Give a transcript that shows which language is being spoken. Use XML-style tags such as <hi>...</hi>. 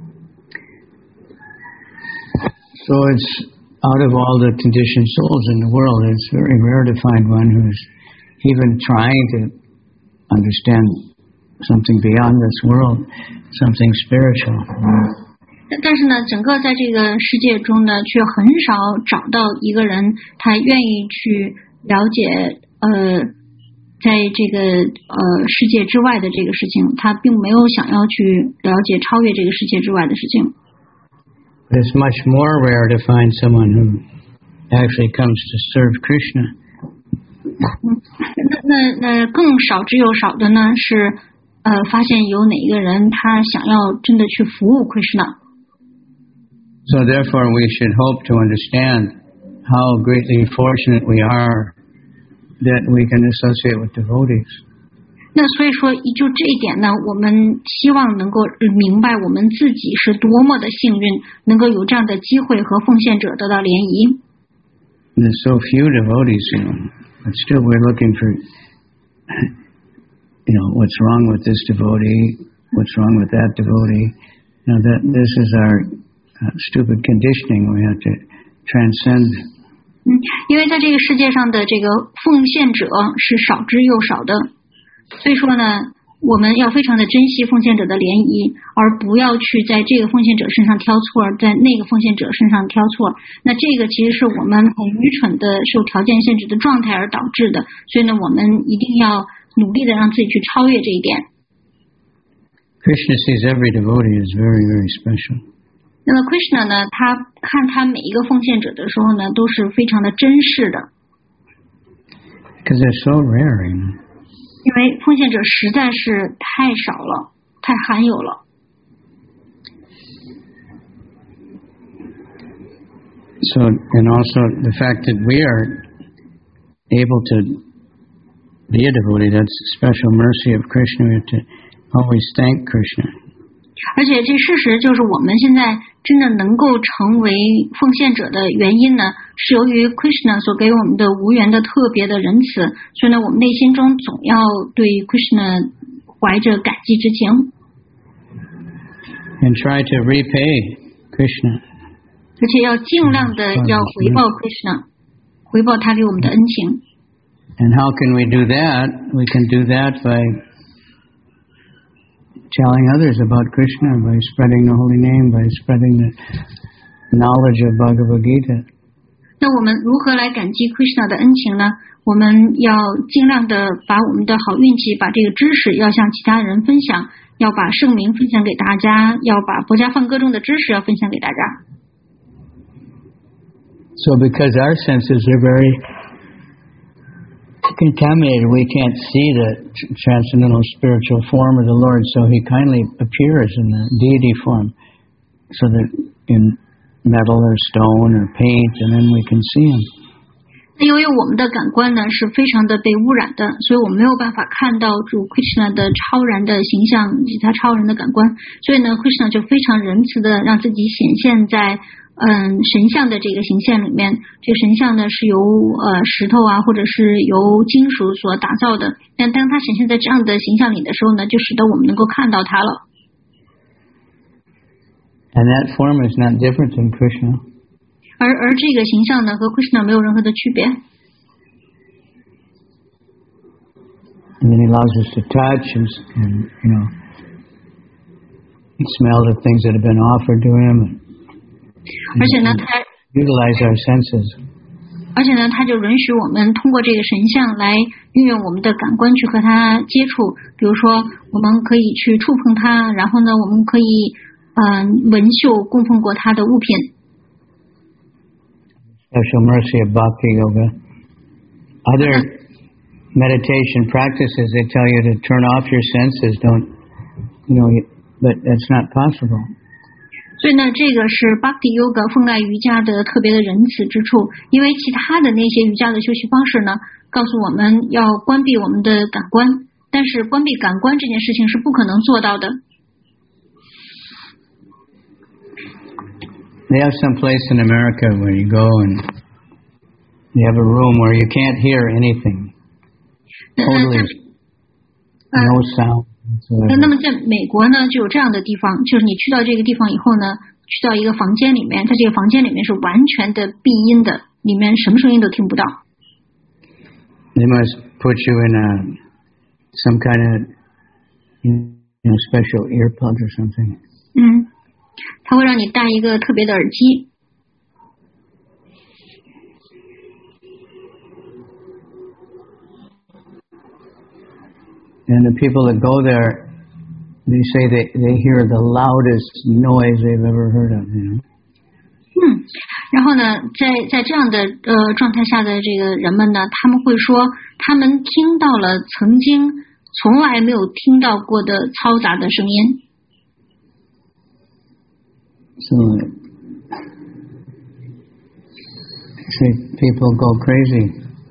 <en>So it'sOut of all the conditioned souls in the world, it's very rare to find one who's even trying to understand something beyond this world, something spiritual.</en> <zh>但是呢，整个在这个世界中呢，却很少找到一个人他愿意去了解在这个世界之外的这个事情，他并没有想要去了解超越这个世界之外的事情。</zh> <en>It's much more rare to find someone who actually comes to serve Krishna.</en> <zh>那更少之又少的呢是发现有哪一个人他想要真的去服务 Krishna.</zh> <en>So therefore we should hope to understand how greatly fortunate we are that we can associate with devotees.</en> <zh>那所以说就这一点呢我们希望能够明白我们自己是多么的幸运能够有这样的机会和奉献者得到联谊。</zh> <en>There's so few devotees, you know, but still we're looking for, you know, what's wrong with this devotee, what's wrong with that devotee. Now that this is our stupid conditioning, we have to transcend.</en> <zh>因为在这个世界上的这个奉献者是少之又少的。所以说呢我们要非常的珍惜奉献者的联谊而不要去在这个奉献者身上挑错在那个奉献者身上挑错那这个其实是我们很愚蠢的受条件限制的状态而导致的所以呢我们一定要努力的让自己去超越这一点</zh> <en>Krishna sees every devotee is very very special</en> <zh>那么 Krishna 呢他看他每一个奉献者的时候呢都是非常的珍视的</zh> <en>Because they're so rare.</en> <zh>因为奉献者实在是太少了，太罕有了。</zh> <en>So, and also the fact that we are able to be a devotee, that's a special mercy of Krishna. We have to always thank Krishna.</en> <zh>而且这事实就是我们现在真的能够成为奉献者的原因呢，是由于 Krishna 所给我们的无缘的特别的仁慈，所以呢，我们内心中总要对 Krishna 怀着感激之情。</zh> <en>And try to repay Krishna.</en> <zh>而且要尽量的要回报 Krishna， 回报他给我们的恩情。</zh> <en>And how can we do that? We can do that by telling others about Krishna, by spreading the holy name, by spreading the knowledge of Bhagavad Gita.</en> <zh>那我们如何来感激 Krishna 的恩情呢？我们要尽量的把我们的好运气，把这个知识要向其他人分享，要把圣名分享给大家，要把薄伽梵歌中的知识要分享给大家。</zh> <en>So because our senses are very contaminated, we can't see the transcendental spiritual form of the Lord, so he kindly appears in the deity form, so that in metal or stone or paint, and then we can see him.</en> <zh>由于我们的感官呢是非常的被污染的，所以我们没有办法看到主 Krishna 的超然的形象以及他超然的感官，所以呢 Krishna 就非常仁慈的让自己显现在神像的这个形象里面，这个神像呢是由石头啊或者是由金属所打造的，但当它显现在这样的形象里的时候呢，就使得我们能够看到它了。</zh> <en>And that form is not different than Krishna.</en> <zh>而这个形象呢和 Krishna 没有任何的区别。</zh> <en>And then he allows us to touch and you know, smell the things that have been offered to him. And,</en> <zh>而且呢，他</zh> <en>utilize our senses.</en> <zh>而且呢，他就允许我们通过这个神像来运用我们的感官去和他接触。比如说，我们可以去触碰他，然后呢，我们可以闻嗅供奉过他的物品。</zh> <en>Special mercy of bhakti yoga. Other meditation practices they tell you to turn off your senses. Don't you know? But that's not possible.</en> <zh>所以呢，这个是 Bhakti Yoga 奉爱瑜伽的特别的仁慈之处。因为其他的那些瑜伽的休息方式呢，告诉我们要关闭我们的感官，但是关闭感官这件事情是不可能做到的。</zh> <en>They have some place in America where you go and they have a room where you can't hear anything. Totally. No sound.</en> <zh>那么在美国呢就有这样的地方，就是你去到这个地方以后呢，去到一个房间里面，在这个房间里面是完全的闭音的，里面什么声音都听不到。</zh> <en>They must put you in some kind of special earplug or something.</en> <zh>他会让你戴一个特别的耳机。</zh> <en>And the people that go thereThey say they hear the loudest noise they've ever heard of, you know.</en> <zh>然后呢，在这样的状态下的这个人们呢，他们会说他们听到了曾经从来没有听到过的嘈杂的声音。</zh> <en>So, see, people go crazy.</en>